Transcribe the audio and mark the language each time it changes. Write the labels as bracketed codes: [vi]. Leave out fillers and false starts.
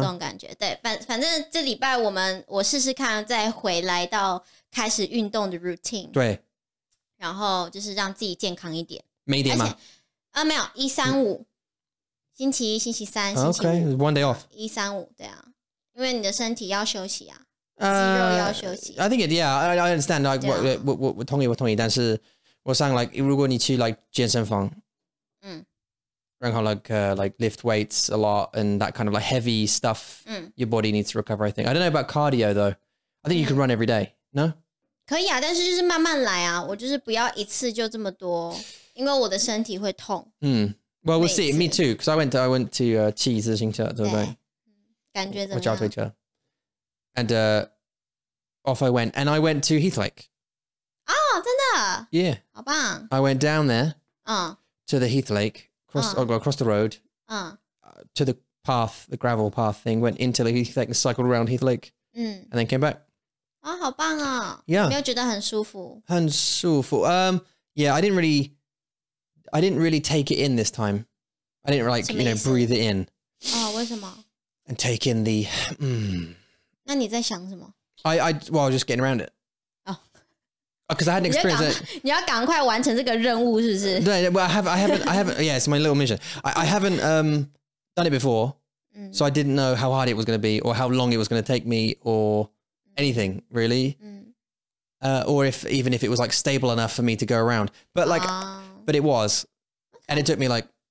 [zh] 这种感觉。对，反正这礼拜我试试看再回来到开始运动的 routine。对，然后就是让自己健康一点，没点吗？没有，一三五，星期一、星期三、星期五 [en] ，OK，one day off， [zh] 一三五，对啊，因为你的身体要休息啊。 [en] I think it, yeah, I understand, like, yeah. [zh] 我同意，我同意，但是我想 [en] like, [zh] 如果你去 [en] like, [zh] 健身房，然后 [en] like, lift weights a lot, and that kind of like, heavy stuff, your body needs to recover, I think. I don't know about cardio, though. I think you can run every day, no? [zh] 可以啊，但是就是慢慢来啊，我就是不要一次就这么多，因为我的身体会痛。 [en] Well, we'll see, me too, because I went to [zh] 骑自行车，对不对？感觉怎么样？我叫推车。 [en] And off I went. And I went to Heathlake. [zh] Oh, 真的? [en] Yeah. [zh] 好棒。 [en] I went down there to the Heathlake, across the road, to the path, the gravel path thing, went into the Heathlake and cycled around Heathlake, and then came back. [zh] Oh, 好棒哦。 [en] Yeah. [zh] 没有觉得很舒服。很舒服。 [en] Yeah, I didn't really take it in this time. I didn't like, you know, breathe it in. [zh] Oh, 为什么? [en] And take in the... [zh] 那你在想什么? [en] I was just getting around it. Oh. Because I hadn't experienced it. [zh] 你要赶快完成这个任务是不是? [en] 对, well, I haven't, yeah, it's my little mission. I haven't done it before, so I didn't know how hard it was going to be or how long it was going to take me or anything, really. Or if it was like stable enough for me to go around. But like, but it was. Okay. And it took me like...